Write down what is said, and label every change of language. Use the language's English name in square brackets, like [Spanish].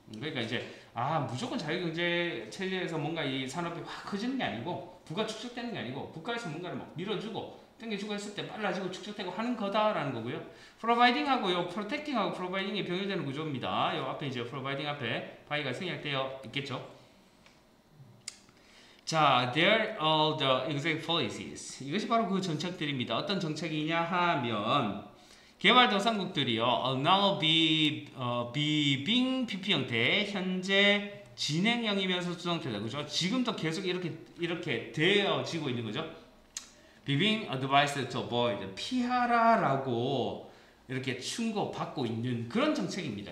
[Korean] 그러니까 이제, 무조건 자유경제 체제에서 뭔가 이 산업이 확 커지는 게 아니고, 부가 축적되는 게 아니고, 국가에서 뭔가를 막 밀어주고, 땡겨주고 했을 때 빨라지고 축적되고 하는 거다라는 거고요. Providing 하고, 요, protecting 하고, providing이 병렬되는 구조입니다. 요 앞에 이제 providing 앞에 바이가 생략되어 있겠죠? [English] 자, there are all the exact policies. [Korean] 이것이 바로 그 정책들입니다. 어떤 정책이냐 하면 개발 도상국들이요, [English] now be being PP [Korean] 형태 현재 진행형이면서 수정되다 그죠? 지금도 계속 이렇게 되어지고 있는 거죠. [English] Be being advised to avoid [Korean] 피하라라고 이렇게 충고 받고 있는 그런 정책입니다.